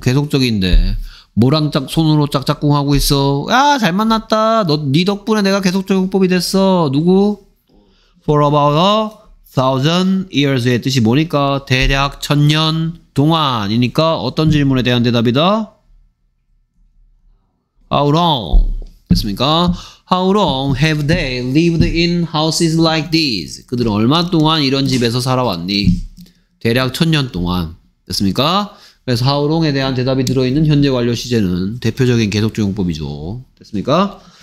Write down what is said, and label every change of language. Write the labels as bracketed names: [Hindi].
[Korean] 계속적인데 뭐랑 짝 손으로 짝짝꿍 하고 있어. 야, 잘 만났다. 너 네 덕분에 내가 계속적 용법이 됐어. 누구? [English] For about a thousand years의 [Korean] 뜻이 뭐니까? 대략 천년 동안이니까 어떤 질문에 대한 대답이다? [English] How long? [Korean] 됐습니까? [English] How long have they lived in houses like these? [Korean] 그들은 얼마 동안 이런 집에서 살아왔니? 대략 천년 동안. 됐습니까? 그래서 how long에 대한 대답이 들어있는 현재 완료 시제는 대표적인 계속적 용법이죠. 됐습니까?